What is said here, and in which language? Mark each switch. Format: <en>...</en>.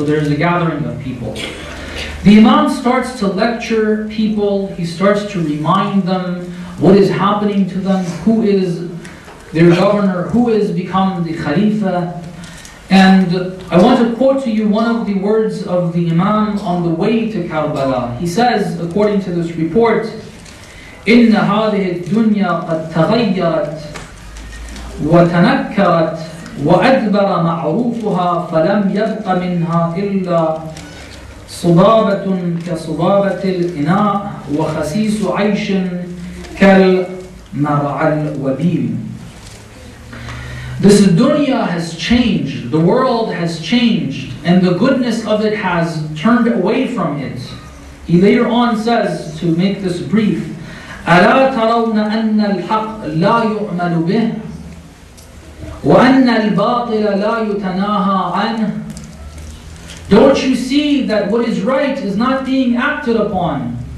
<en>So there's a gathering of people. The Imam starts to lecture people. He starts to remind them what is happening to them, who is their governor, who has become the Khalifa. And I want to quote to you one of the words of the Imam on the way to Karbala. He says, according to this report,</en> <ar>إِنَّ هَذِهِ الدُّنْيَا قَدْ تَغَيَّرَتْ وَتَنَكَّرَتْ وأدبر معروفها فلم يبق منها إلا صبابة كصبابة الإناء وخسيس عيش كالمرعى الوبيل.</ar> <en>This dunya has changed, the world has changed, and the goodness of it has turned away from it. He later on says, to make this brief,</en> <ar>ألا ترون أن الحق لا يعمل به وَأَنَّ الْبَاطِلَ لَا يُتَنَاهَا عَنْهُ</ar> <en>Don't you see that what is right is not being acted upon?</en>